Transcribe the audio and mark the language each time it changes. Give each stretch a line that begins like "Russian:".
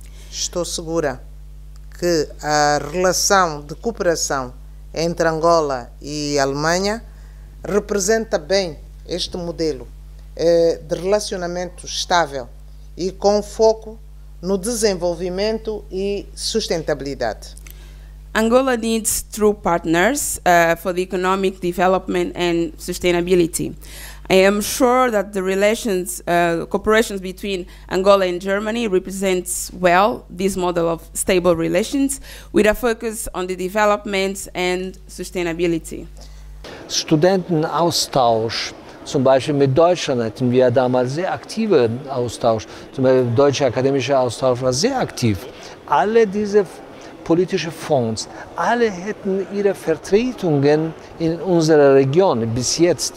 Portuguese: Estou segura que a relação de cooperação entre Angola e Alemanha representa bem este modelo de relacionamento estável e com foco no desenvolvimento e sustentabilidade.
English: Angola needs true partners for the economic development and sustainability. I am sure that the relations, cooperation between Angola and Germany represents well this model of stable relations with a focus on the development and sustainability.
German: Studentenaustausch, zum Beispiel mit Deutschland, hatten wir damals sehr aktive Austausch. Zum Beispiel der deutsche akademische Austausch war sehr aktiv. Alle diese politische Fonds, alle hätten ihre Vertretungen in unserer Region bis jetzt.